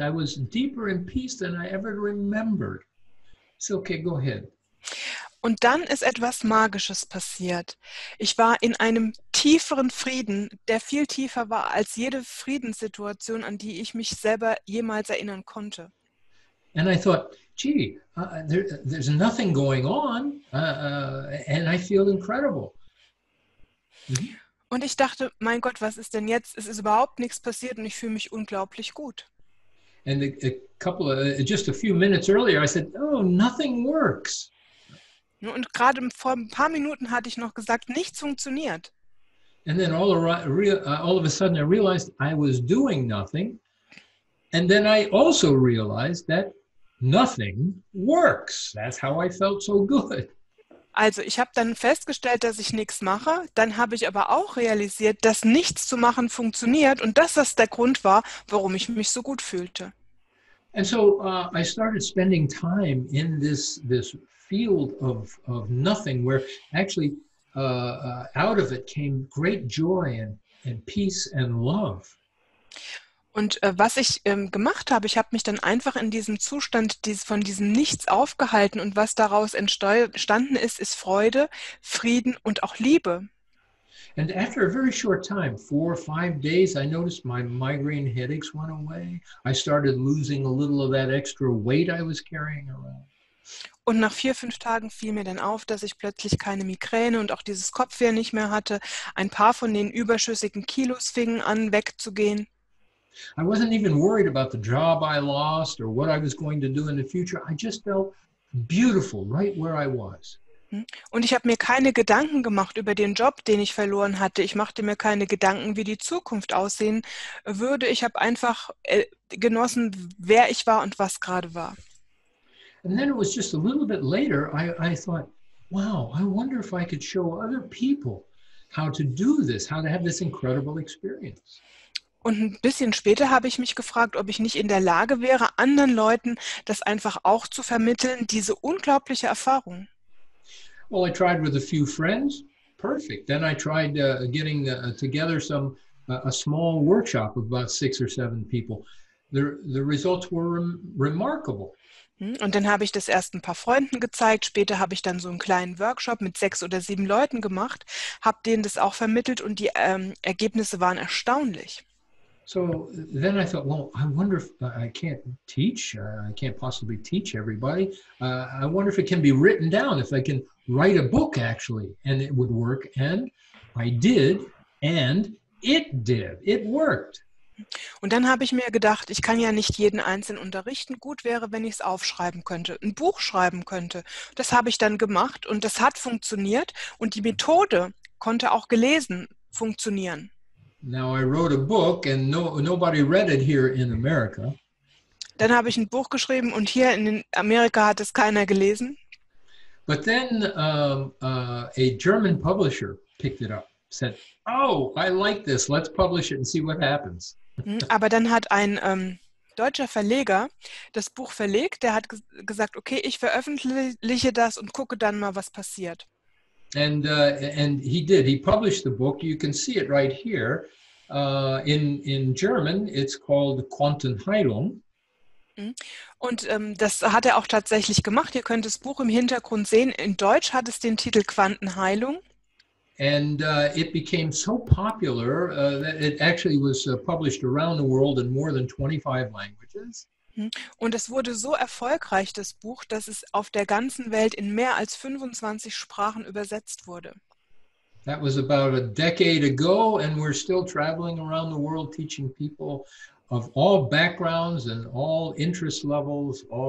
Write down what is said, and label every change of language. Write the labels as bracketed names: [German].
[English] I was deeper in peace than I ever remembered. So, okay, go ahead. [German] Und dann ist etwas Magisches passiert. Ich war in einem tieferen Frieden, der viel tiefer war als jede Friedenssituation, an die ich mich selber jemals erinnern konnte. [English] And I thought, gee, there's nothing going on, and I feel incredible. [German] Und ich dachte, mein Gott, was ist denn jetzt? Es ist überhaupt nichts passiert und ich fühle mich unglaublich gut. [English] And just a few minutes earlier, I said, oh, nothing works. [German] Und gerade vor ein paar Minuten hatte ich noch gesagt, nichts funktioniert. [English] And then all of a sudden I realized I was doing nothing. And then I also realized that nothing works. That's how I felt so good. [German] Also ich habe dann festgestellt, dass ich nichts mache. Dann habe ich aber auch realisiert, dass nichts zu machen funktioniert. Und dass das der Grund war, warum ich mich so gut fühlte. [English] And so I started spending time in this field of nothing, where actually out of it came great joy and peace and love. [German] Und was ich gemacht habe, ich habe mich dann einfach in diesem Zustand von diesem Nichts aufgehalten, und was daraus entstanden ist, ist Freude, Frieden und auch Liebe. [English] And after a very short time, 4 or 5 days, I noticed my migraine headaches went away. I started losing a little of that extra weight I was carrying around. [German] Und nach 4, 5 Tagen fiel mir dann auf, dass ich plötzlich keine Migräne und auch dieses Kopfweh nicht mehr hatte. Ein paar von den überschüssigen Kilos fingen an, wegzugehen. [English] I wasn't even worried about the job I lost or what I was going to do in the future. I just felt beautiful right where I was. [German] Und ich habe mir keine Gedanken gemacht über den Job, den ich verloren hatte. Ich machte mir keine Gedanken, wie die Zukunft aussehen würde. Ich habe einfach genossen, wer ich war und was gerade war. [English] And then it was just a little bit later, I thought, wow, I wonder if I could show other people how to do this, how to have this incredible experience. [German] Und ein bisschen später habe ich mich gefragt, ob ich nicht in der Lage wäre, anderen Leuten das einfach auch zu vermitteln, diese unglaubliche Erfahrung. [English] Well, I tried with a few friends. Perfect. Then I tried getting together some a small workshop of about six or seven people. The results were remarkable. [German] Und dann habe ich das erst ein paar Freunden gezeigt. Später habe ich dann so einen kleinen Workshop mit sechs oder sieben Leuten gemacht, habe denen das auch vermittelt und die Ergebnisse waren erstaunlich. [English] So then I thought, well, I wonder if I can't teach, I can't possibly teach everybody. I wonder if it can be written down, if I can write a book actually, and it would work. And I did, and it did. It worked. [German] Und dann habe ich mir gedacht, ich kann ja nicht jeden einzeln unterrichten. Gut wäre, wenn ich es aufschreiben könnte, ein Buch schreiben könnte. Das habe ich dann gemacht und das hat funktioniert und die Methode konnte auch gelesen funktionieren. [English] Now I wrote a book and nobody read it here in America. [German] Dann habe ich ein Buch geschrieben und hier in Amerika hat es keiner gelesen. [English] But then a German publisher picked it up. Said, oh, I like this. Let's publish it and see what happens. [German] Aber dann hat ein deutscher Verleger das Buch verlegt. Der hat gesagt, okay, ich veröffentliche das und gucke dann mal, was passiert. [English] And he did. He published the book. You can see it right here. In German, it's called Quantenheilung. [German] Und das hat er auch tatsächlich gemacht. Ihr könnt das Buch im Hintergrund sehen. In Deutsch hat es den Titel Quantenheilung. [English] And it became so popular that it actually was published around the world in more than 25 languages. [German] Und es wurde so erfolgreich, das Buch, dass es auf der ganzen Welt in mehr als 25 Sprachen übersetzt wurde. [English] That was about a decade ago, and we're still traveling around the world teaching people of all backgrounds and all interest levels.